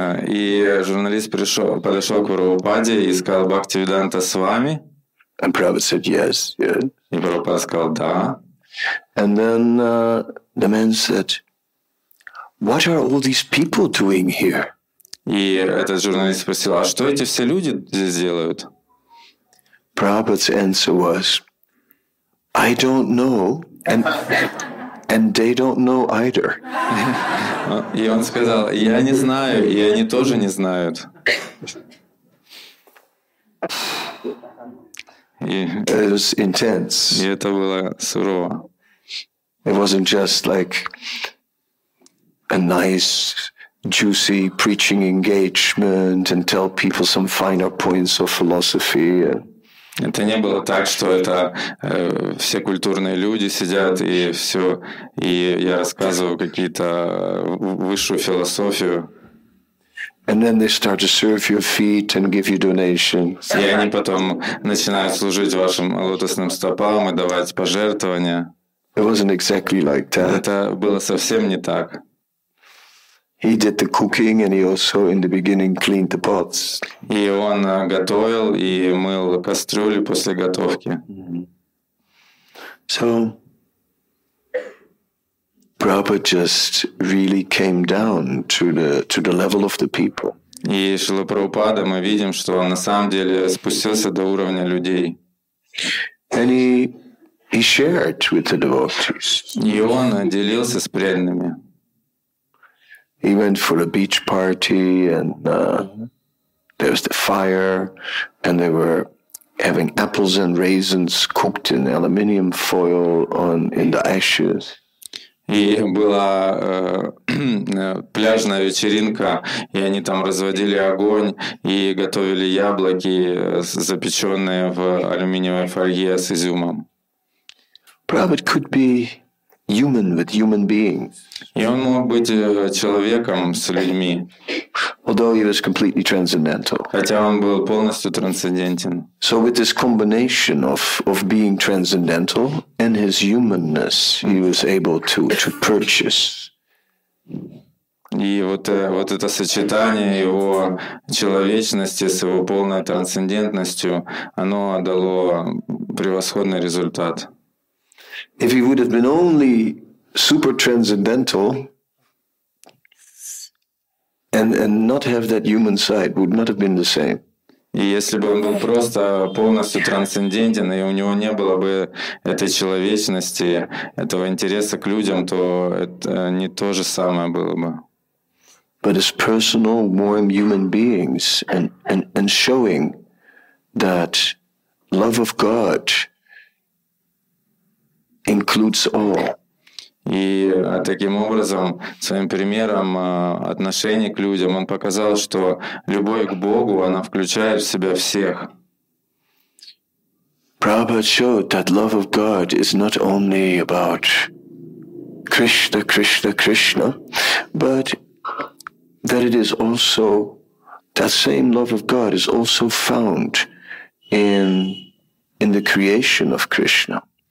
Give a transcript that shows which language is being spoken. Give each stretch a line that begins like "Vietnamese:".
Russian: И журналист подошел к Прабхупаде и сказал, Бхактивиданта Свами?
English: And Prabhupada said, yes.
Russian: И Прабхупада сказал, да.
English: And then the man said, what are all these people doing here?
Russian: И этот журналист спросил, а что эти все люди здесь делают?
English: Prabhupada's answer was, I don't know. And they don't know either.
Russian: И он сказал, я не знаю, и они тоже не знают.
English: It was intense.
Russian: И это было сурово.
English: It wasn't just like a nice, juicy preaching engagement and tell people some finer points of philosophy.
Russian: Это не было так, что это все культурные люди сидят и все, и я рассказываю какие-то высшую философию.
English: And then they start to serve your feet and give you donations.
Russian: И они потом начинают служить вашим лотосным стопам и давать пожертвования.
English: It wasn't exactly like that.
Russian: Это было совсем не так.
English: He did the cooking, and he also, in the beginning, cleaned the pots.
Russian: И он готовил и мыл кастрюли после готовки.
English: So, Prabhupada just really came down to the level of the people.
Russian: И Шрила Прабхупада, мы видим, что он на самом деле спустился до уровня людей.
English: And he shared with the devotees.
Russian: И он делился с преданными.
English: He went for a beach party, and there was the fire, and they were having apples and raisins cooked in aluminium foil in the ashes.
Russian: И была пляжная вечеринка, и они там разводили огонь и готовили яблоки, запеченные в алюминиевой фольге с изюмом.
English: Prabhupada could be human with human beings.
Russian: И он мог быть человеком с людьми.
English: although he was completely transcendental.
Russian: Хотя он был полностью трансцендентен.
English: So with this combination of being transcendental and his humanness, he was able to purchase.
Russian: И вот это сочетание его человечности с его полной трансцендентностью, оно дало превосходный результат.
English: If he would have been only super transcendental and not have that human side, would not have been the same.
Russian: И если бы он был просто полностью трансцендентен, и у него не было бы этой человечности, этого интереса к людям, то это не то же самое было бы.
English: But as personal, warm human beings and showing that love of God includes all.
Russian: И таким образом, своим примером отношения к людям, он показал, что любовь к Богу, она включает в себя всех.
English: Prabhupada showed that love of God is not only about Krishna, Krishna, Krishna, but that it is also, that same love of God is also found in the creation of Krishna.